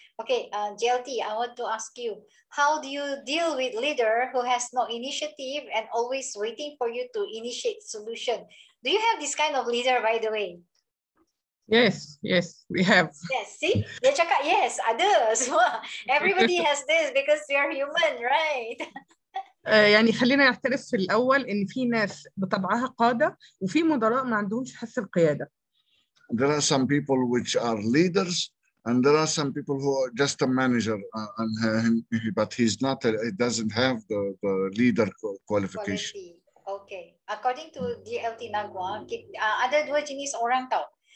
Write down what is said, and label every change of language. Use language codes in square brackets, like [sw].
[en] Okay, GLT, I want to ask you, how do you deal with leader who has no initiative and always waiting for you to initiate solution? Do you have this kind of leader, by the way? Yes, we have. Yes, see? [ms] Dia cakap, yes, ada. [en] Everybody has this because we are human, right? [ar] يعني خلينا نعترف في الأول إن في ناس بطبعها قادة وفي مدراء ما عندهمش حس القيادة. [en] There are some people which are leaders, and there are some people who are just a manager, and but he's not. It doesn't have the leader qualification. [ms] Okay, [en] according to [ms] GLT Nagwa, ada dua jenis orang tau.